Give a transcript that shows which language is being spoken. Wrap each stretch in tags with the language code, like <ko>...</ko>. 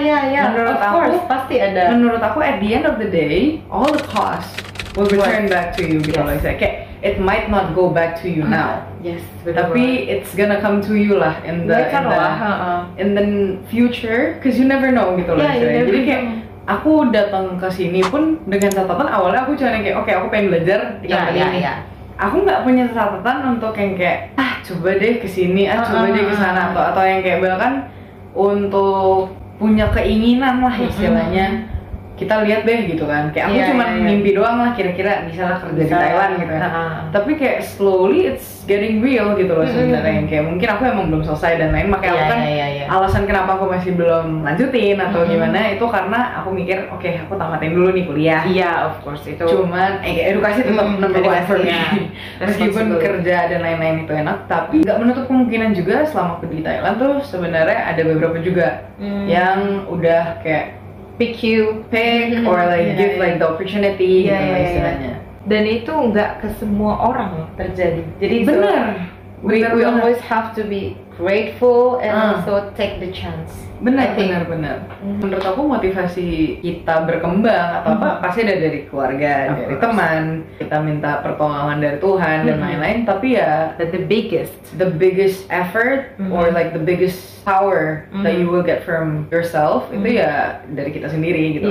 <id>Menurut aku,</id> <en>course, pasti ada.</en> <id>Menurut aku</id> <en>at the end of the day, all the cost will return back to you.</en> <id>Gitu loh, kayak</id> <en>it might not go back to you now. Yes. Tapi it's gonna come to you lah in the future, because you never know gitu loh.</en> <id>Jadi kayak aku datang ke sini pun dengan catatan awalnya aku cuma kayak okay, aku pengen belajar di kampus ini. Aku nggak punya catatan untuk yang kayak coba deh kesini, coba deh kesana atau yang kayak bahkan untuk punya keinginan lah istilahnya. Kita lihat deh gitu kan. Kayak aku cuma mimpi doang lah kira-kira misalnya kerja di Thailand gitu. Tapi kayak</id> <en>slowly it's getting real</en> <id>gitu loh sebenarnya. Kayak mungkin aku emang belum selesai dan lain makanya alasan kenapa aku masih belum lanjutin atau gimana itu karena aku mikir okay, aku tamatin dulu nih kuliah. Iya,</id> <en>of course</en> <id>itu. Cuman edukasi tetap</id> <en>number one for me.</en> <id>Meskipun kerja dan lain-lain itu enak, tapi enggak menutup kemungkinan juga selama aku di Thailand tuh sebenarnya ada beberapa juga yang udah kayak</id> <en>pick or like give the opportunity gitu istilahnya.</en> <id>Dan itu enggak ke semua orang terjadi. Jadi benar.</id> <en>We always have to be grateful and also take the chance.</en> <id>Benar. Menurut aku motivasi kita berkembang atau apa pasti ada dari keluarga, dari teman, kita minta pertolongan dari Tuhan dan lain-lain, tapi ya</id> <en>the biggest effort or like the biggest power that you will get from yourself</en> <id>itu ya dari kita sendiri gitu</id>